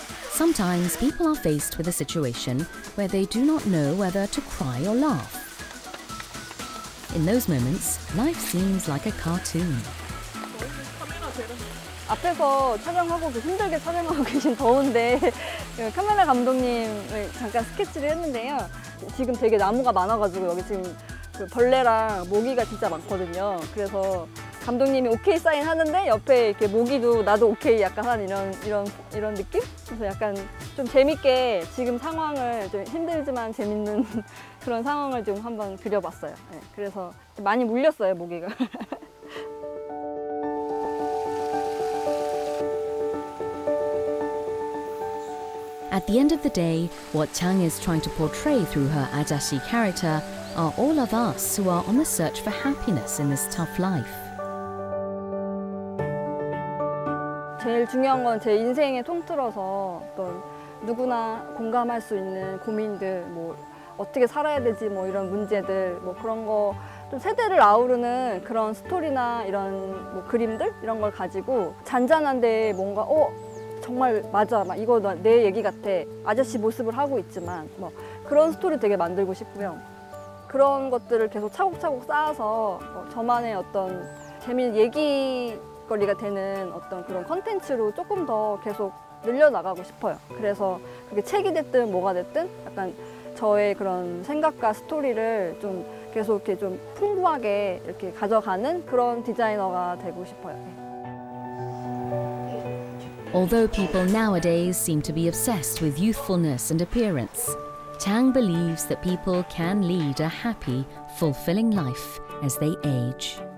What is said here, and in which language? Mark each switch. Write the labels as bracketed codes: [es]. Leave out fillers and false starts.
[en] Sometimes people are faced with a situation where they do not know whether to cry or laugh. In those moments, life seems like a cartoon. [ko] 앞에서 촬영하고 힘들게 촬영하고 계신 더운데 카메라 감독님을 잠깐 스케치를 했는데요. 지금 되게 나무가 많아가지고 여기 지금 그 벌레랑 모기가 진짜 많거든요. 그래서 감독님이 오케이 사인 하는데 옆에 이렇게 모기도 나도 오케이 약간 한 이런 느낌? 그래서 약간 좀 재밌게 지금 상황을 좀 힘들지만 재밌는 그런 상황을 좀 한번 그려봤어요. 네, 그래서 많이 물렸어요, 모기가. [en] At the end of the day, what Chang is trying to portray through her Ajashi character are all of us who are on the search for happiness in this tough life. [ko] 제일 중요한 건 제 인생에 통틀어서 어떤 누구나 공감할 수 있는 고민들, 뭐 어떻게 살아야 되지, 뭐 이런 문제들, 뭐 그런 거 좀 세대를 아우르는 그런 스토리나 이런 뭐 그림들 이런 걸 가지고 잔잔한데 뭔가 정말 맞아, 막 이거 내 얘기 같아, 아저씨 모습을 하고 있지만 뭐 그런 스토리 되게 만들고 싶고요. 그런 것들을 계속 차곡차곡 쌓아서 뭐 저만의 어떤 재미있는 얘기거리가 되는 어떤 그런 컨텐츠로 조금 더 계속 늘려나가고 싶어요. 그래서 그게 책이 됐든 뭐가 됐든 약간 저의 그런 생각과 스토리를 좀 계속 이렇게 좀 풍부하게 이렇게 가져가는 그런 디자이너가 되고 싶어요. [en] Although people nowadays seem to be obsessed with youthfulness and appearance, Chang believes that people can lead a happy, fulfilling life as they age.